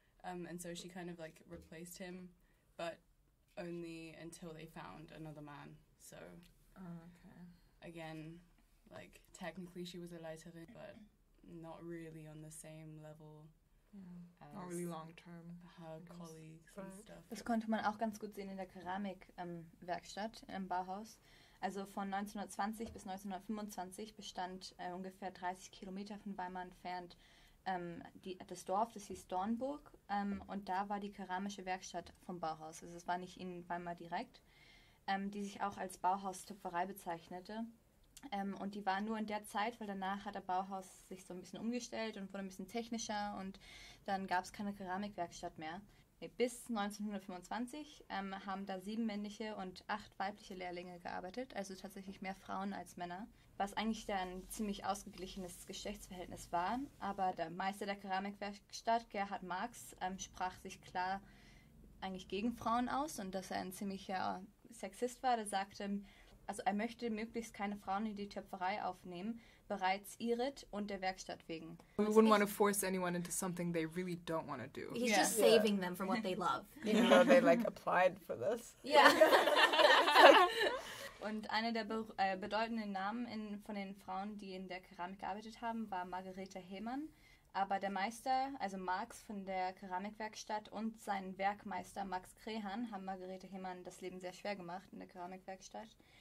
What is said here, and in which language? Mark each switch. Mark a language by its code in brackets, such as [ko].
[en] And so she kind of, like, replaced him, but only until they found another man. So, again, like, technically she was a Leiterin, but not really on the same level. Yeah. Not really long term. Her colleagues and stuff. [de] Das konnte man auch ganz gut sehen in der Keramikwerkstatt im Bauhaus. Also von 1920 bis 1925 bestand ungefähr 30 Kilometer von Weimar entfernt das Dorf, das hieß Dornburg, und da war die keramische Werkstatt vom Bauhaus. Also es war nicht in Weimar direkt, die sich auch als Bauhaus-Töpferei bezeichnete. Und die war nur in der Zeit, weil danach hat der Bauhaus sich so ein bisschen umgestellt und wurde ein bisschen technischer und dann gab es keine Keramikwerkstatt mehr. Bis 1925 haben da 7 männliche und 8 weibliche Lehrlinge gearbeitet, also tatsächlich mehr Frauen als Männer, was eigentlich dann ein ziemlich ausgeglichenes Geschlechtsverhältnis war. Aber der Meister der Keramikwerkstatt, Gerhard Marx, sprach sich klar eigentlich gegen Frauen aus und dass er ein ziemlicher Sexist war. Der sagte, also er möchte möglichst keine Frauen in die Töpferei aufnehmen, bereits ihret und der Werkstatt wegen. [en] We wouldn't want to force anyone into something they really don't want to do. He's just saving them from what they love. Even though they like applied for this. Yeah. [de] Und einer der bedeutenden Namen von den Frauen, die in der Keramik gearbeitet haben, war Margarete Hemann. Aber der Meister, also Marx von der Keramikwerkstatt und sein Werkmeister Max Krehan haben Margarete Hemann das Leben sehr schwer gemacht in der Keramikwerkstatt.